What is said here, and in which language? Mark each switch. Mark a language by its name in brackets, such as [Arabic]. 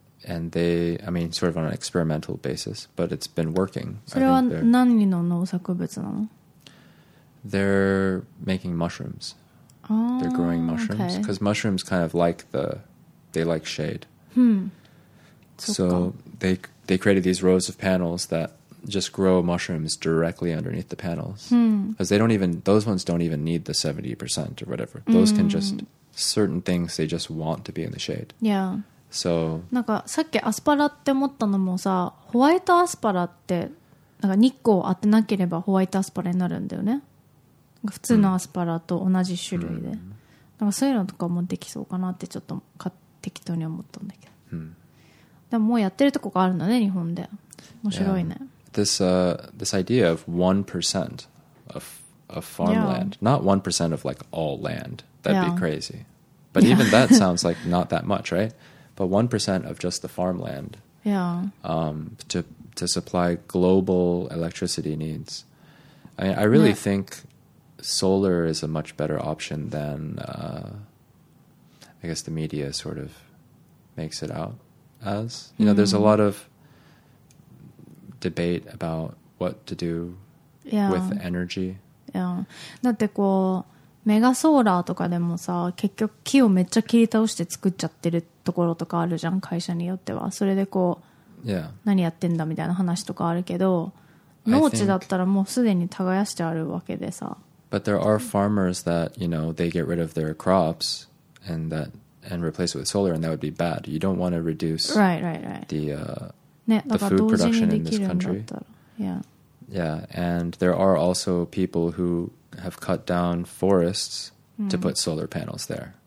[English] And they, I mean, sort of on an experimental basis, but it's been working. [Japanese] それは何の農作物なの? [English] They're making mushrooms. They're growing mushrooms because okay. mushrooms kind of like the, they like shade. Hmm. So they created these rows of panels that just grow mushrooms directly underneath the panels. Hmm. Because they don't even, those ones don't even need the 70% or whatever. Those can just, certain things they just want to be in the shade. Yeah. So. [Japanese] なんかさっきアスパラって思ったのもさ、ホワイトアスパラってなんか日光を当てなければホワイトアスパラになるんだよね。普通のアスパラと同じ種類で、なんかそういうのとかもできそうかなってちょっと適当に思ったんだけど、でももうやってるとこがあるんだね日本で、面白いね。 [English] This idea of 1% of farmland, not 1% of like all land, that'd be crazy. But even that sounds like not that much, right? But 1% of just the farmland, to supply global electricity needs. I mean, I really think. Solar is a much better option than, I guess the media sort of makes it out as. You know, there's a lot of debate about what to do with energy. Yeah. [Japanese] だってこう、メガソーラーとかでもさ、結局木をめっちゃ切り倒して作っちゃってるところとかあるじゃん、会社によっては。それでこう、何やってんだみたいな話とかあるけど、農地だったらもうすでに耕してあるわけでさ。 [English] But there are farmers that, you know, they get rid of their crops and that and replace it with solar, and that would be bad. You don't want to reduce the food production in this country. Yeah, and there are also people who have cut down forests to put solar panels there.